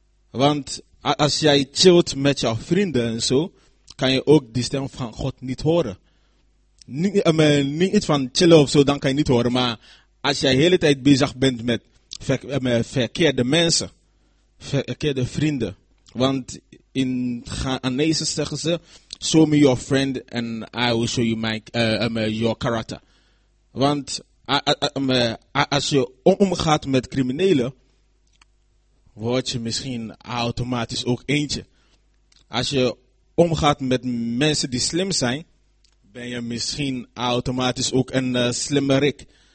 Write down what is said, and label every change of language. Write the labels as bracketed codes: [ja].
[nl] Want als jij chillt met jouw vrienden en zo, kan je ook die stem van God niet horen. Niet van chillen of zo, dan kan je niet horen. Maar als jij de hele tijd bezig bent met verkeerde mensen, verkeerde vrienden. Want in Ghanese zeggen ze, [en] show me your friend and I will show you your character. [nl] Want als je omgaat met criminelen, word je misschien automatisch ook eentje. Als je omgaat met mensen die slim zijn, ben je misschien automatisch ook een slimme rik.